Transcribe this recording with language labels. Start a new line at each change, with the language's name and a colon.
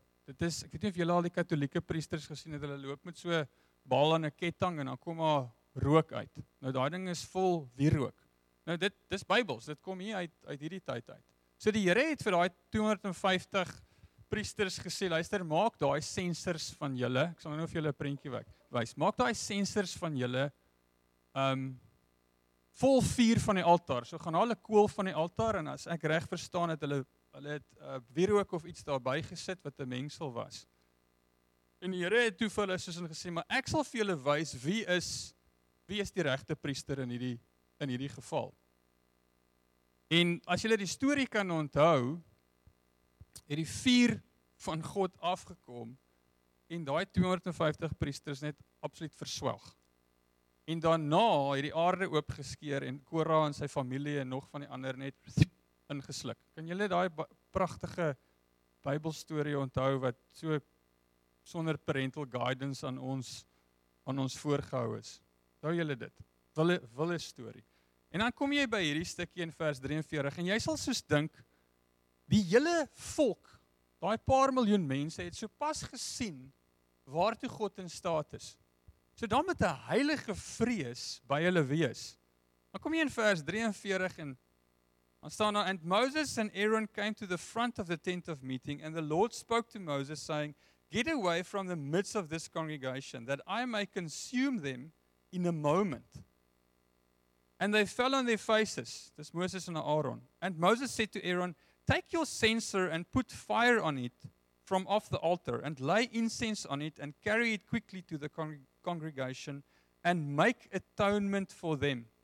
Afrikaans: Dit is, ek weet nie of julle al die Katolieke priesters gesien het, hulle loop met so baal aan 'n ketting en dan kom daar rook uit. Nou daai ding is vol wierook. Nou dis Bybels, dit kom hier uit hierdie tyd uit. So die Here het vir daai 250 priesters gesê, luister, maak daai sensors van julle. Ek sal nou of julle 'n prentjie wys. Maak daai sensors van julle vol vuur van die altaar. So gaan hulle kool van die altaar en as ek reg verstaan het hulle het wierook of iets daarby gesit wat 'n mengsel was. En die Here het toe vir hulle soos hulle gesê, maar ek sal vir julle wys wie is die regte priester in hierdie geval. En as julle die storie kan onthou, het die vuur van God afgekom en daai 250 priesters net absoluut verswelg. En daarna het die aarde oopgeskeur en Korah en sy familie en nog van die ander net ingesluk. Kan julle daai pragtige Bybelstorie onthou wat so sonder
English: parental guidance
Afrikaans: aan ons voorgehou is? Onthou julle dit? Wille storie. En dan kom jy by hierdie stukkie in vers 43 en jy sal soos dink, die hele volk, daai paar miljoen mense het so pas gesien waartoe God in staat is. So dan met 'n heilige vrees by hulle wees. Dan kom jy in vers 43 en dan staan daar,
English: and Moses and Aaron came to the front of the tent of meeting and the Lord spoke to Moses saying, get away from the midst of this congregation that I may consume them in a moment. And they fell on their faces, this Moses and Aaron. And Moses said to Aaron, take your censer and put fire on it from off the altar and lay incense on it and carry it quickly to the congregation and make atonement for them.